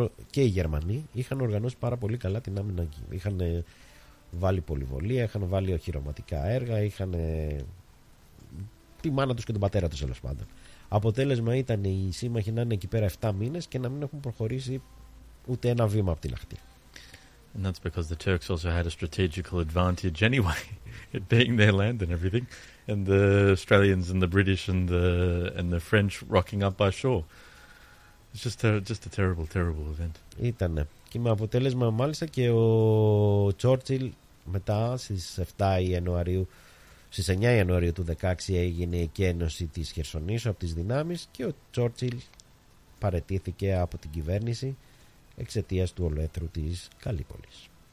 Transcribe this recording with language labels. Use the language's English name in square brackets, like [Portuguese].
[Greek] Και οι Γερμανοί είχαν οργανώσει πάρα πολύ καλά την άμυνα. Είχαν βάλει πολυβολία, είχαν βάλει οχυρωματικά έργα, είχαν τη μάνα τους και τον πατέρα τους, τέλος πάντων. Αποτέλεσμα ήταν οι σύμμαχοι να είναι εκεί πέρα 7 μήνες και να μην έχουν προχωρήσει ούτε ένα βήμα από τη Λαχτία. [English] And that's because the Turks also had a strategical advantage anyway, it being their land and everything, and the Australians and the British and the French rocking up by shore. It's just a terrible, terrible event. [Greek] Ήτανε. Και με αποτέλεσμα μάλιστα και ο Τσόρτσιλ μετά στις 7 Ιανουαρίου, στις 9 Ιανουαρίου του 16 έγινε η εκένωση της Χερσονήσου από τις δυνάμεις και ο Τσόρτσιλ παραιτήθηκε από την κυβέρνηση εξαιτίας του ολοέθρου της Καλλίπολης.